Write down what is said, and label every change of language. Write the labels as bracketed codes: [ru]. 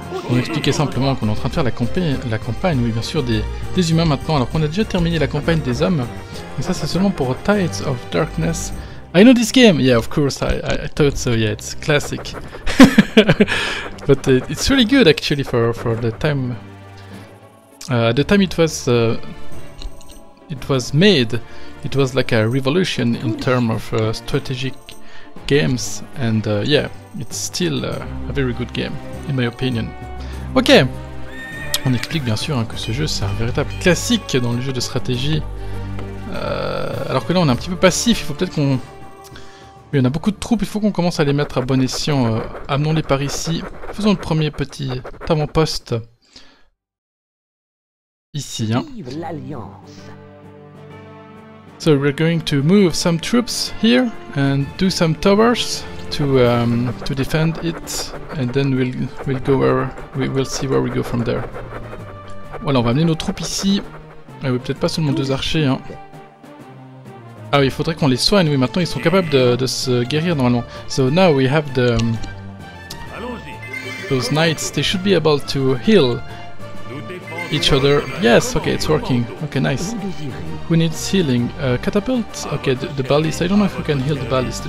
[fr] On expliquait simplement qu'on est en train de faire la campagne, oui, bien sûr, des humains maintenant, alors qu'on a déjà terminé la campagne des hommes. Mais ça, c'est seulement pour Tides of Darkness. [en] I know this game! Yeah, of course, I thought so, yeah, it's classic. But it's really good, actually, for the time. At the time it was made. It was like a revolution in terms of strategic games, and yeah, it's still a very good game, in my opinion. Ok! [fr] On explique bien sûr hein, que ce jeu c'est un véritable classique dans le jeu de stratégie. Alors que là on est un petit peu passif, il faut peut-être qu'on... Il y en a beaucoup de troupes, il faut qu'on commence à les mettre à bon escient. Amenons-les par ici. Faisons le premier petit avant-poste. Ici, hein. Vive l'Alliance! [en] So we're going to move some troops here and do some towers to defend it, and then we'll see where we go from there. [fr] Voilà, on va amener nos troupes ici. Ah oui, peut-être pas seulement deux archers, hein. Ah oui, il faudrait qu'on les soigne. Oui, maintenant ils sont capables de se guérir normalement. [en] So now we have the those knights. They should be able to heal each other. Yes, okay, it's working. Okay, nice. Who needs healing? Catapult? Okay, the ballista. I don't know if we can heal the ballista.